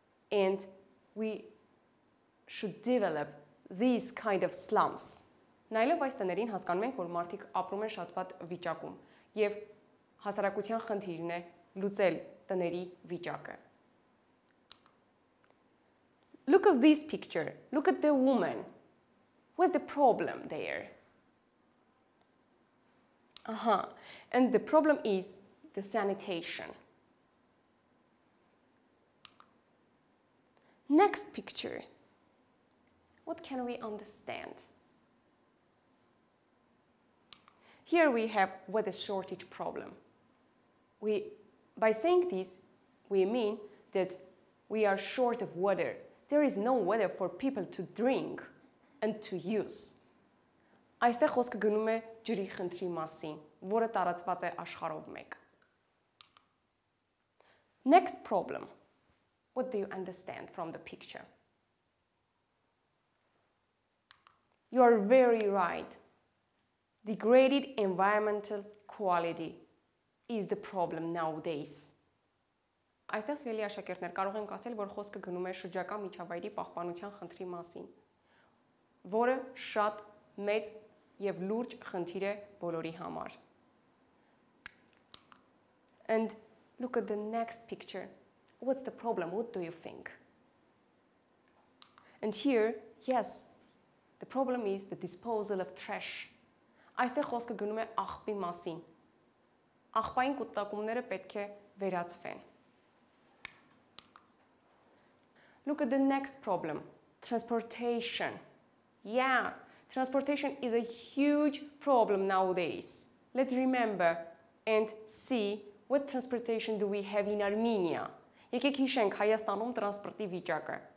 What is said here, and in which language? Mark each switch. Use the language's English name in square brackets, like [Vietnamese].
[English] And we should develop these kind of slums. [Armenian] Նայելով այս տներին հասկանում ենք, որ մարդիկ ապրում են շատ վատ վիճակում եւ հասարակության խնդիրն է լուծել տների վիճակը. [English] Look at this picture. Look at the woman. What's the problem there? And the problem is the sanitation. Next picture. What can we understand? Here we have water shortage problem. By saying this, we mean that we are short of water. There is no water for people to drink and to use. [Armenian] Այստեղ խոսքը գնում է ջրի խնդրի մասին, որը տարածված է աշխարհով մեկ. [English] Next problem. What do you understand from the picture? You are very right. Degraded environmental quality is the problem nowadays. [Armenian] Այստեղ սիրելի աշակերտներ կարող ենք ասել, որ խոսքը գնում է շրջակա միջավայրի պահպանության խնդրի մասին, որը շատ մեծ եւ լուրջ խնդիր է բոլորի համար. [English] And look at the next picture. What's the problem? What do you think? And here, yes, the problem is the disposal of trash. [Armenian] Այստեղ խոսքը գնում է աղբի մասին. Աղբային կուտակումները պետք է վերացվեն. [English] Look at the next problem. Transportation. Yeah, transportation is a huge problem nowadays. Let's remember and see what transportation do we have in Armenia? [Armenian] Եկեք հիշենք Հայաստանում տրանսպորտի վիճակը.